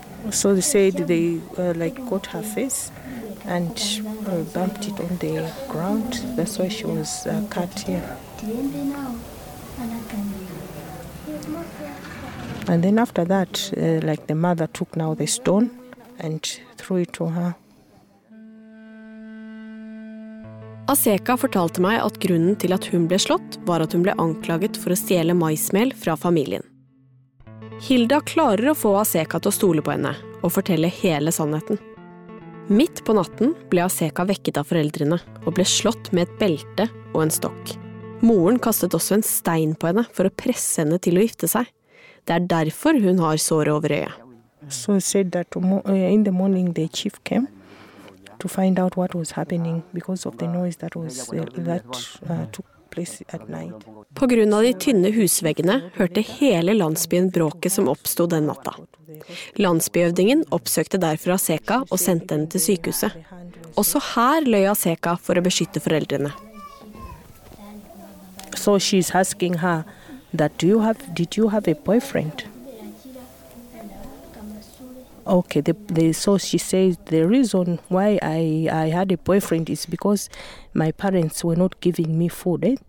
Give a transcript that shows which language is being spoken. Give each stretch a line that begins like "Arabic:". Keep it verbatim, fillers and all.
English: So they said they uh, like caught her face and uh, bumped it on the ground. That's why she was uh, cut here. And then after that, uh, like the mother took now the stone and threw it to her.
Norwegian: Aseka fortalte meg at grunnen til at hun ble slått var at hun ble anklaget for å stjele maismel fra familien. Hilda klarer å få Aseka til å stole på henne og fortelle hele sannheten. Midt på natten ble Aseka vekket av foreldrene og ble slått med et belte og en stokk. Moren kastet også en stein på henne for å presse henne til å gifte seg. Det er derfor hun har såret over øyet.
English: So he said that in the morning the chief came to find out what was happening because of the noise that was uh, that uh, took place at night.
Norwegian: På grunn av de tynne husveggene hørte hele landsbyen bråket som oppstod den natta. Landsbyøvdingen oppsøkte derfor Aseka og sendte henne til sykehuset. Også her løy Aseka for å beskytte foreldrene.
English: So she's asking her that do you have did you have a boyfriend? Okay, the, the, so she says the reason why I, I had a boyfriend is because my parents were not giving me food. Eh?